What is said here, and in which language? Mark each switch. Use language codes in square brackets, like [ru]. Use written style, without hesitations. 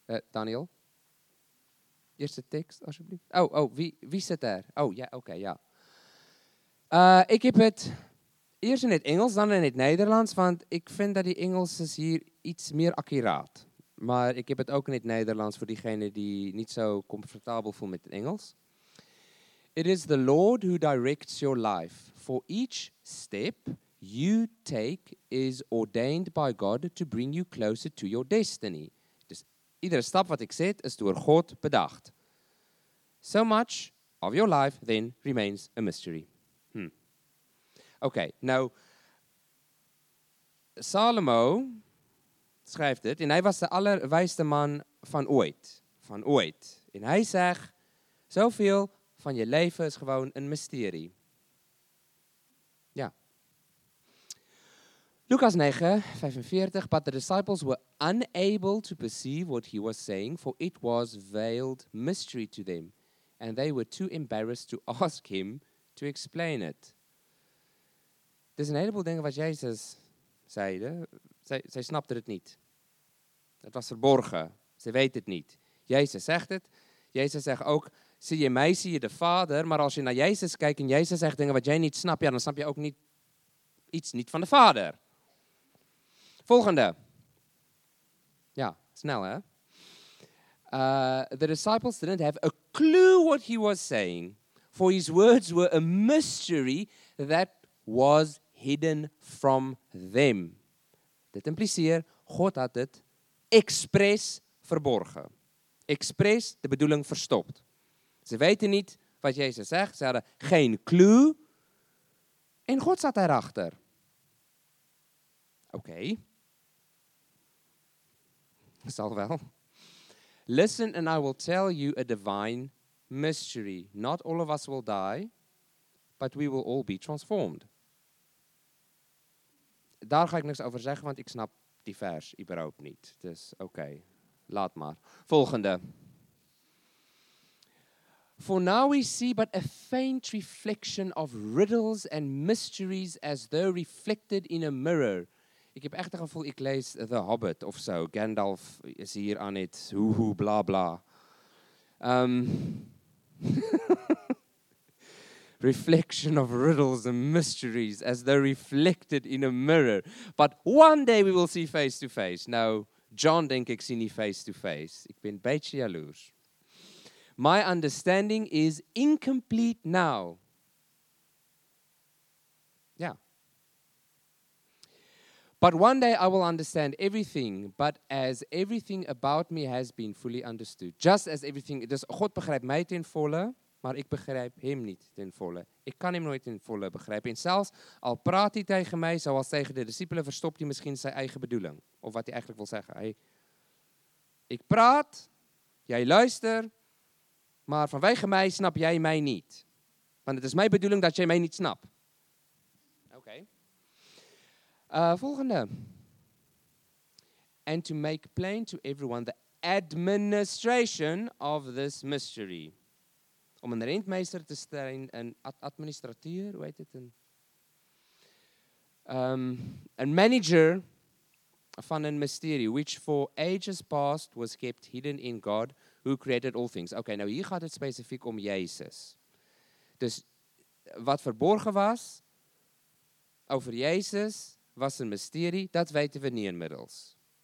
[nl] Daniel? Eerste tekst, alsjeblieft. Wie zit daar? Oké. Ik heb het eerst in het Engels, dan in het Nederlands, want ik vind dat die Engels is hier iets meer accuraat. Maar ik heb het ook in het Nederlands voor diegene die niet zo comfortabel voelt met het Engels. [en] It is the Lord who directs your life. For each step you take is ordained by God to bring you closer to your destiny. [nl] Dus iedere stap wat ik zet is door God bedacht. [en] So much of your life then remains a mystery. [nl] Oké, nou, Salomo schrijft dit en hij was de allerwijste man van ooit. En hij zegt, zoveel van je leven is gewoon een mysterie. [en] Lucas 9, 45, but the disciples were unable to perceive what he was saying, for it was veiled mystery to them, and they were too embarrassed to ask him to explain it. [nl] Er is een heleboel dingen wat Jezus zei. Zij snapten het niet. Het was verborgen. Ze weten het niet. Jezus zegt het. Jezus zegt ook, zie je mij, zie je de Vader, maar als je naar Jezus kijkt en Jezus zegt dingen wat jij niet snapt, ja, dan snap je ook niet iets niet van de Vader. Volgende. Ja, snel hè. [en] The disciples didn't have a clue what he was saying, for his words were a mystery that was hidden from them. [nl] Dit impliceert, God had het expres verborgen. Expres de bedoeling verstopt. Ze weten niet wat Jezus zegt, ze hadden geen clue. En God zat daarachter. Oké. Zal wel. [en] Listen and I will tell you a divine mystery. Not all of us will die, but we will all be transformed. [nl] Daar ga ik niks over zeggen, want ik snap die vers überhaupt niet. Dus oké, laat maar. Volgende. [en] For now we see but a faint reflection of riddles and mysteries as though reflected in a mirror. [nl] Ik heb echt het gevoel, ik lees The Hobbit of zo. Gandalf is hier aan het hoehoe, bla bla. [en] Reflection of riddles and mysteries as they're reflected in a mirror. But one day we will see face to face. [nl] Nou, John denk ik zie niet [en] face to face. [nl] Ik ben een beetje jaloers. [en] My understanding is incomplete now. But one day I will understand everything, but as everything about me has been fully understood. Just as everything, [nl] dus God begrijpt mij ten volle, maar ik begrijp hem niet ten volle. Ik kan hem nooit ten volle begrijpen. En zelfs al praat hij tegen mij, zoals tegen de discipelen, verstopt hij misschien zijn eigen bedoeling. Of wat hij eigenlijk wil zeggen. Hey, ik praat, jij luister, maar vanwege mij snap jij mij niet. Want het is mijn bedoeling dat jij mij niet snapt. Volgende. [en] and to make plain to everyone the administration of this mystery. [nl] Om een rentmeester te stellen, een administrateur, hoe heet het? Een manager van een mysterie, [en] which for ages past was kept hidden in God, who created all things. [nl] Oké, nou hier gaat het specifiek om Jezus. Dus wat verborgen was over Jezus, was een mysterie, dat weten we niet inmiddels.